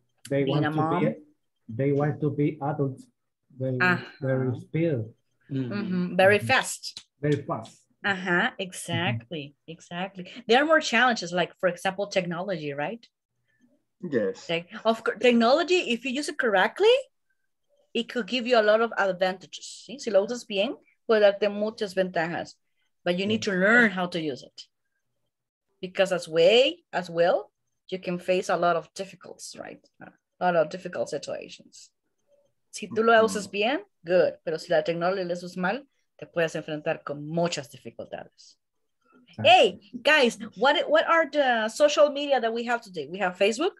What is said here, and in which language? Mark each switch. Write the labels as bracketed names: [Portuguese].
[English] they being want a mom. They want to be adults very speed. Mm-hmm. Very fast. Very fast. Uh-huh. Exactly. Mm-hmm. Exactly. There are more challenges, like for example, technology, right? Yes. Technology, if you use it correctly, it could give you a lot of advantages. [Spanish] ¿Sí? Si lo usas bien, puede darte muchas ventajas. [English] But you need to learn how to use it. Because as well, you can face a lot of difficulties, right? A lot of difficult situations. [Spanish] Si tú lo usas bien, [English] good. [Spanish] Pero si la tecnología lo usas mal, te puedes enfrentar con muchas dificultades. [English] Hey, guys, what are the social media that we have today? We have Facebook.